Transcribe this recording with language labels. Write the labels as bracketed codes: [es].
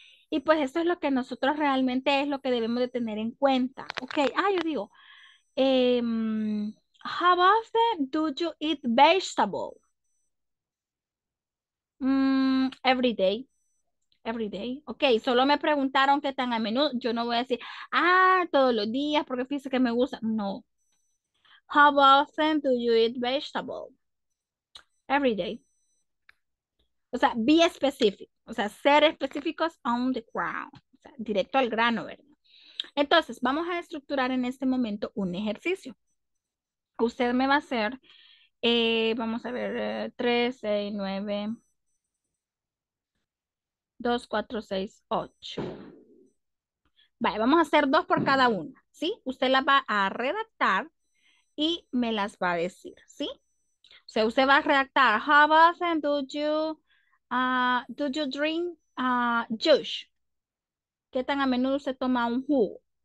[es] Y pues eso es lo que nosotros realmente es lo que debemos de tener en cuenta. [en] Ok, ah, [es] yo digo, [en] how often do you eat vegetable? Every day. [es] Ok, solo me preguntaron qué tan a menudo. Yo no voy a decir, ah, todos los días porque fíjese que me gusta. [en] No. How often do you eat vegetable? Every day. [es] O sea, [en] be specific, [es] o sea, ser específicos [en] on the ground, [es] o sea, directo al grano, ¿verdad? Entonces, vamos a estructurar en este momento un ejercicio. que usted me va a hacer. Vamos a ver, 3, 6, 9, 2, 4, 6, 8. Vale, vamos a hacer dos por cada una, ¿sí? Usted las va a redactar y me las va a decir, ¿sí? O sea, usted va a redactar, [en] how often do you drink juice? [es] ¿Qué tan a menudo usted toma un jugo?